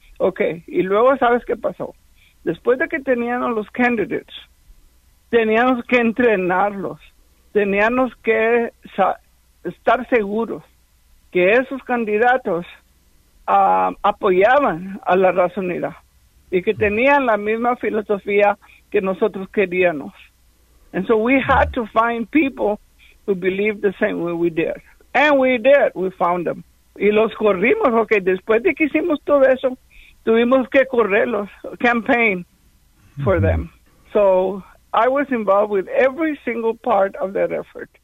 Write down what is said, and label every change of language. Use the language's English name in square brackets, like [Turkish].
[Spanish] Okay, y luego, ¿sabes qué pasó? Después de que teníamos los candidates, teníamos que entrenarlos, teníamos que estar seguros que esos candidatos apoyaban a la Raza Unida y que tenían la misma filosofía que nosotros queríamos. [English] And so we had to find people who believed the same way we did. And we did. We found them. Y los corrimos. [Spanish] Okay, después de que hicimos todo eso, tuvimos que correrlos, campaign for them. [English] So I was involved with every single part of that effort.